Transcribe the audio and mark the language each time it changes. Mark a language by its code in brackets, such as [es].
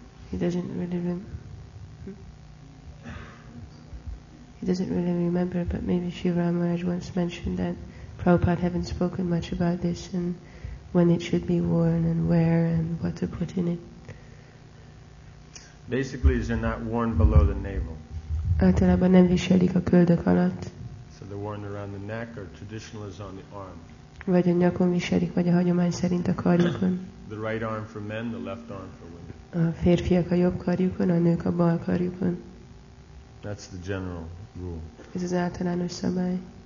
[en] He doesn't really remember, but maybe Shivra Maharaj once mentioned that Prabhupada haven't spoken much about this and when it should be worn and where and what to put in it. Basically, they're not worn below the navel. [hu] Általában nem viselik a köldök alatt. [en] So they're worn around the neck or traditional is on the arm. [hu] Vagy a nyakon viselik, vagy a hagyomány szerint a karjukon. [en] The right arm for men, the left arm for women. [hu] A férfiak a jobb karjukon, a nők a bal karjukon. [en] That's the general. [hu] Ez az általános szabály.